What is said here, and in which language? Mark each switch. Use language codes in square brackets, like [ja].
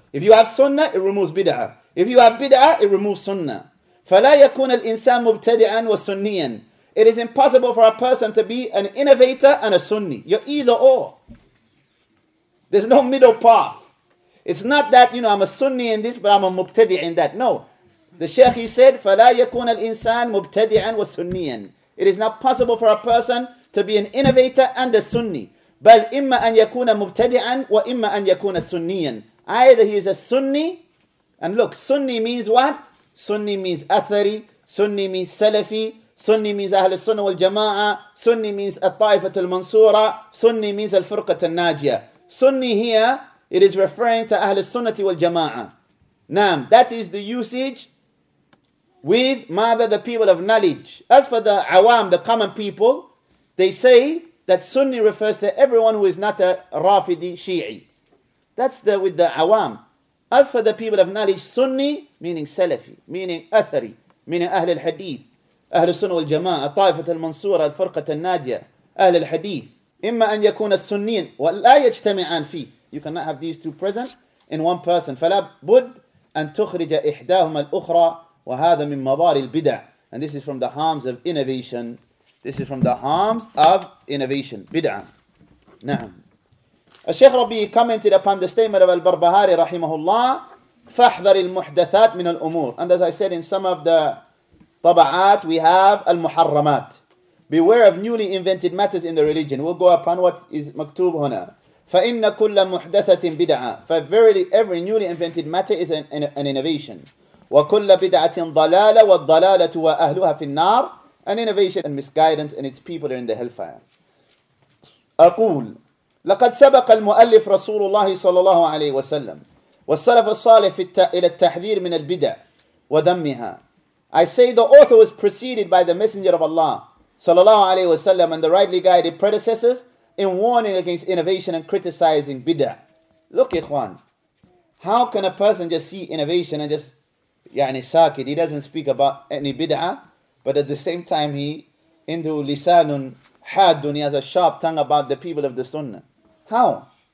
[en] If you have sunnah, it removes bid'ah. If you have bid'ah, it removes sunnah. [ar] فَلَا يَكُونَ الْإِنسَانُ مُبْتَدِعًا وَسُنِّيًا. [en] It is impossible for a person to be an innovator and a sunni. You're either or. There's no middle path. It's not that, you know, I'm a sunni in this, but I'm a mubtadi in that. No. The Shaykh, he said, [ar] فَلَا يَكُونَ الْإِنسَانُ مُبْتَدِعًا وَسُنِّيًا. [en] It is not possible for a person to be an innovator and a sunni. [ar] بَلْ إِمَّا أَن يَكُونَ مُبْتَدِعًا وَإِمَّا أَن يَكُونَ سُنِّيًا. [en] Either he is a sunni. And look, sunni means what? Sunni means athari. Sunni means salafi. Sunni means Ahl al-Sunnah wal-Jama'ah. Sunni means At-Taifat al-Mansura. Sunni means Al-Furqat al-Najiyah. Sunni here, it is referring to Ahl al-Sunnah wal-Jama'ah. Naam, that is the usage with mother the people of knowledge. As for the awam, the common people, they say that Sunni refers to everyone who is not a Rafidi Shi'i. That's the with the awam. As for the people of knowledge, Sunni meaning Salafi, meaning Athari, meaning Ahl al-Hadith. [ar] أهل السنة والجماعة طائفة المنصورة الفرقة الناجية أهل الحديث إما أن يكون السنين ولا يجتمعان فيه. [en] You cannot have these two present in one person. [ar] فلا بد أن تخرج إحداهما الأخرى وهذا من مضار البدع. [en] And this is from the harms of innovation. This is from the harms of innovation. [ar] بدع. نعم. الشيخ ربي [en] commented upon the statement of [ar] البربهاري رحمه الله فاحذر المحدثات من الأمور. [en] And as I said, in some of the طبعات, we have المحرمات. Beware of newly invented matters in the religion. We'll go upon what is [ar] مكتوب هنا. فَإِنَّ كُلَّ مُحْدَثَةٍ بِدْعَةٍ. [en] For verily every newly invented matter is an innovation. [ar] وَكُلَّ بِدْعَةٍ ضَلَالَ وَالضَّلَالَةُ وَأَهْلُهَا فِي النَّارِ. [en] An innovation and misguidance and its people are in the hellfire. [ar] أقول لقد سبق المؤلف رسول الله صلى الله عليه وسلم والسلف الصالح إلى التحذير من البدع وذمها. [en] I say the author was preceded by the Messenger of Allah, sallallahu alayhi wasallam, and the rightly guided predecessors in warning against innovation and criticizing bid'ah. Look, ikhwan, how can a person just see innovation and just, yani sakit, he doesn't speak about any bid'ah, but at the same time he, into lisanun hadun, he has a sharp tongue about the people of the sunnah. How?